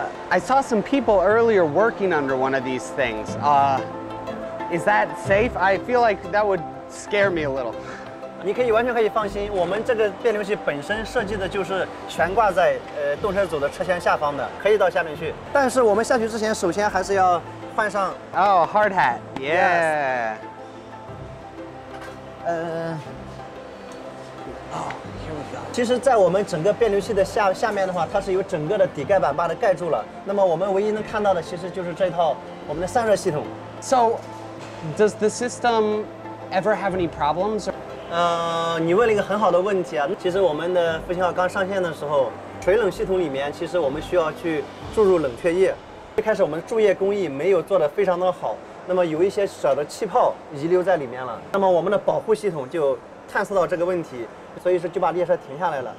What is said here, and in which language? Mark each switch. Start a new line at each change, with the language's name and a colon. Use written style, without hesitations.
English: I saw some people earlier working under one of these things. Is that safe? I feel like that would scare me a little.
Chinese: 你可以完全可以放心，我们这个变流器本身设计的就是悬挂在动车组的车厢下方的，可以到下面去。但是我们下去之前，首先还是要换上。
English: Oh, hard hat. Yeah. Yes. Here we go.
Chinese: 其实在我们整个变流器的下面的话，它是由整个的底盖板把它盖住了。那么我们唯一能看到的其实就是这套我们的散热系统。
English: So, does the system ever have any problems?
Chinese: 你问了一个很好的问题啊。其实我们的复兴号刚上线的时候，水冷系统里面其实我们需要去注入冷却液。一开始我们注液工艺没有做得非常的好，那么有一些小的气泡遗留在里面了。那么我们的保护系统就探测到这个问题。所以说就把列车停下来了。